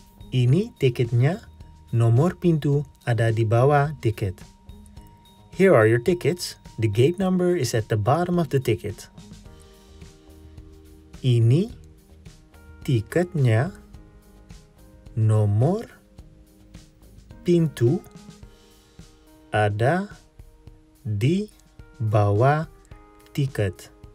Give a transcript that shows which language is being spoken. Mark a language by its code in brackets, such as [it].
[id] Ini tiketnya, nomor pintu ada di bawah tiket. [en] Here are your tickets. The gate number is at the bottom of the ticket. [id] Ini tiketnya, nomor pintu ada di bawah tiket.